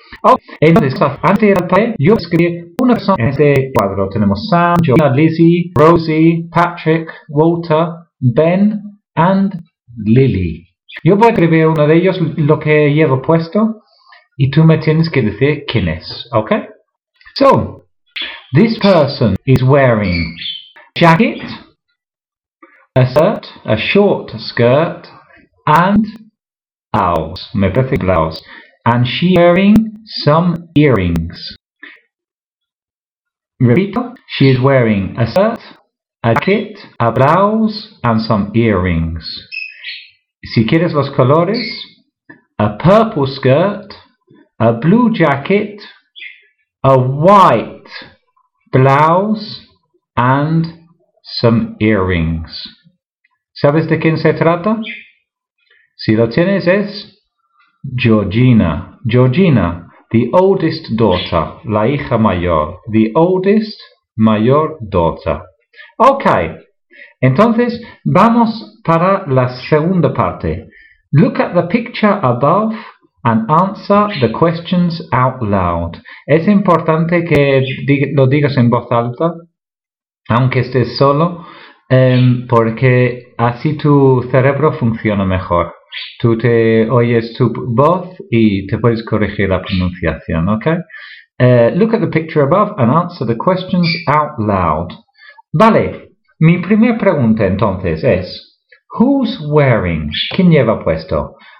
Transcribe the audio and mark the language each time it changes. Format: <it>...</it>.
<es>Ok, entonces, antes de ir al padre, yo escribí una persona en este cuadro. Tenemos Sam, Joanna, Lizzie, Rosie, Patrick, Walter, Ben and Lily. Yo voy a escribir uno de ellos, lo que llevo puesto, y tú me tienes que decir quién es, ¿ok?</es> <en>So, this person is wearing a jacket, a shirt, a short skirt, and blouse.</en> <es>Me parece</es> <en>blouse. And she wearing some earrings.</en> <es>Repito,</es> <en>she is wearing a shirt, a jacket, a blouse, and some earrings.</en> <es>Si quieres los colores,</es> <en>a purple skirt, a blue jacket, a white blouse, and some earrings.</en> <es>¿Sabes de quién se trata? Si lo tienes es...</es> <en>Georgina. Georgina, the oldest daughter,</en> <es>la hija mayor,</es> <en>the oldest mayor daughter.</en> <es>Ok, entonces vamos para la segunda parte.</es> <en>Look at the picture above and answer the questions out loud.</en> <es>Es importante que lo digas en voz alta, aunque estés solo, porque así tu cerebro funciona mejor. Tú te oyes tu voz y te puedes corregir la pronunciación, ¿ok?</es> <en>Look at the picture above and answer the questions out loud.</en> <es>Vale, mi primera pregunta entonces es,</es> <en>who's wearing,</en> <es>¿quién lleva puesto?</es>